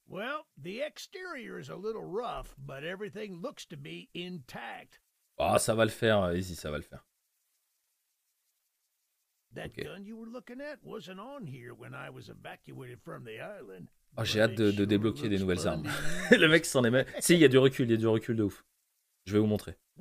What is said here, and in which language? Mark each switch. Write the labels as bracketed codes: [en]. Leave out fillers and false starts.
[en] Well, the exterior is a little rough, but everything looks to be intact. [fr] Oh, ça va le faire, easy, ça va le faire. [en] That gun you were looking at wasn't on here when I was evacuated from the island. [fr] Oh, j'ai hâte de débloquer des nouvelles armes. Le mec s'en est même. Si, il y a du recul de ouf. Je vais vous montrer.